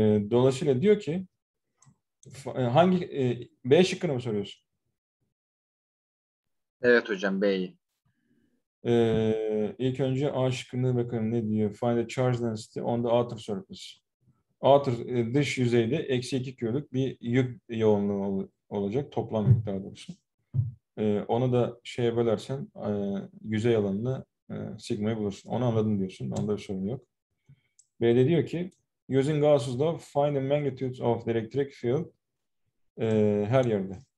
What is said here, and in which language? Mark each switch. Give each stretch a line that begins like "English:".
Turkish: Dolayısıyla diyor ki hangi B şıkkını mı soruyorsun? Evet hocam, B'yi. İlk önce A şıkkında bakalım ne diyor.
English: Find a charge density on the outer surface. Outer,
Turkish: dış yüzeyde eksi 2 Q'luk bir yük yoğunluğu olacak. Toplam yük daha doğrusu. Onu da şeye bölersen yüzey alanına sigma'yı bulursun. Onu anladın diyorsun. Onda bir sorun yok. B de diyor ki
English: using Gauss's law find the magnitudes of the electric field
Turkish: her yerde.